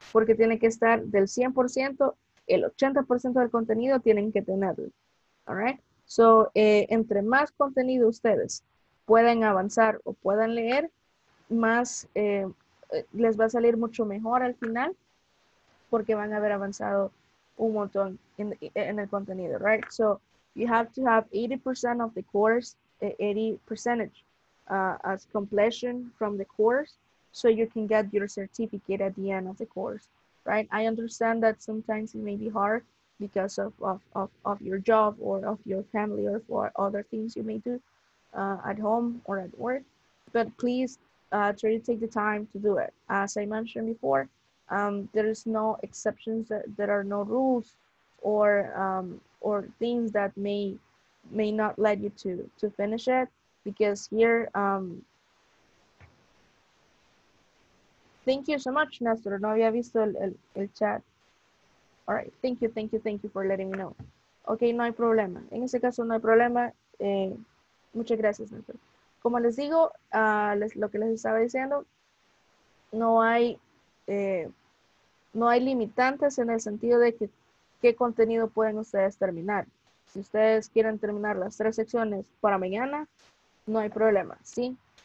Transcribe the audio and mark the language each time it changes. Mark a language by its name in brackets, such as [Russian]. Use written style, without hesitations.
[Spanish] Porque tiene que estar del 100%, el 80% del contenido tienen que tenerlo, [English] ¿all right? [Spanish] So, entre más contenido ustedes pueden avanzar o puedan leer, más les va a salir mucho mejor al final porque van a haber avanzado un montón en el contenido, right? [English] So, you have to have 80% of the course, 80% as completion from the course so you can get your certificate at the end of the course, right? I understand that sometimes it may be hard because of your job or of your family or for other things you may do. At home or at work, but please try to take the time to do it. As I mentioned before, there is no exceptions, there are no rules or things that may not let you to finish it, because here, thank you so much, Nestor. [Spanish] No había visto el chat. [English] All right, thank you for letting me know. [Spanish] Okay, no hay problema. En ese caso, no hay problema. Muchas gracias, Néstor. Como les digo, lo que les estaba diciendo, no hay limitantes en el sentido de que qué contenido pueden ustedes terminar. Si ustedes quieren terminar las tres secciones para mañana, no hay problema, ¿sí?